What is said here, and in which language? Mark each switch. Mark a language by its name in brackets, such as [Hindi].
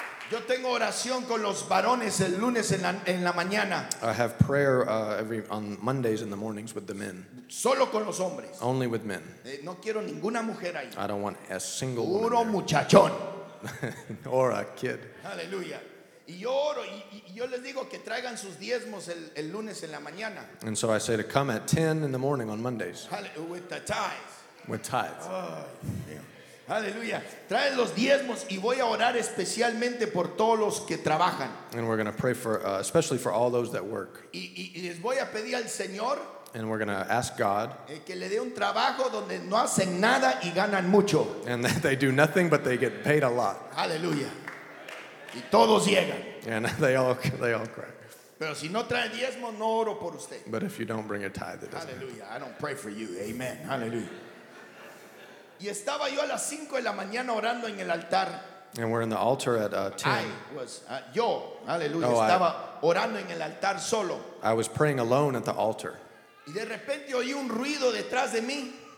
[Spanish] Yo tengo oración con los varones el lunes en la mañana. [English] I have prayer on Mondays in the mornings with the men. [Spanish] Solo con los hombres. [English] Only with men. [Spanish] No quiero ninguna mujer ahí. [English] I don't want a single [Spanish] puro [English] woman. [Spanish] Puro muchachón. [English] Or a kid. [Spanish] Aleluya. Y yo oro y yo les digo que traigan sus diezmos el lunes en la mañana. [English] And so I say to come at 10 in the morning on Mondays. With the tithes. With tithes. [Spanish] Aleluya. Trae los diezmos y voy a orar especialmente por todos los que trabajan. [English] And we're going to pray for especially for all those that work. [Spanish] Y les voy a pedir al Señor. [English] And we're going to ask God. [Spanish] Que le dé un trabajo donde no hacen nada y ganan mucho. [English] And that they do nothing but they get paid a lot. [Spanish] Aleluya. Y todos llegan. [English] And they all crack. [Spanish] Pero si no trae diezmo, no oro por usted. [English] But if you don't bring a tithe, it doesn't matter. Aleluya. I don't pray for you. Amen. Aleluya. [Spanish] Y estaba yo a las 5 de la mañana orando en el altar. [English] And we're in the altar at 10. [Spanish] Estaba orando en el altar solo. [English] I was praying alone at the altar. [Spanish] Y de repente oí un ruido detrás de mí.